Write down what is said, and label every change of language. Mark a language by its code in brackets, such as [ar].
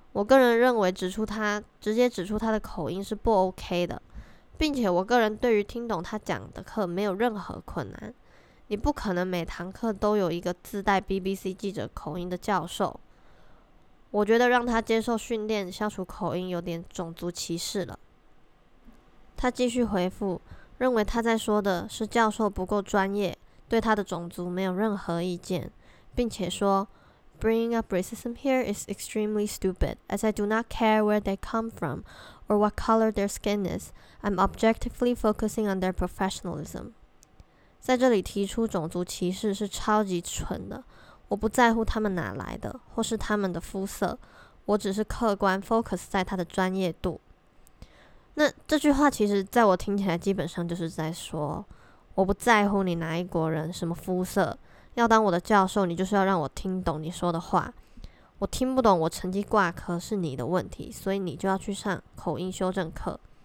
[zh] 我个人认为直接指出他的口音是不 OK 的，并且我个人对于听懂他讲的课没有任何困难。你不可能每堂课都有一个自带 BBC 记者口音的教授，我觉得让他接受训练消除口音有点种族歧视了。他继续回复，认为他在说的是教授不够专业，对他的种族没有任何意见，并且说 [en] Bringing up racism here is extremely stupid, as I do not care where they come from or what color their skin is. I'm objectively focusing on their professionalism. [zh] 在这里提出种族歧视是超级蠢的，我不在乎他们哪来的或是他们的肤色，我只是客观 focus 在他的专业度。那这句话其实在我听起来基本上就是在说，我不在乎你哪一国人什么肤色，要当我的教授你就是要让我听懂你说的话，我听不懂我成绩挂科是你的问题，所以你就要去上口音修正课。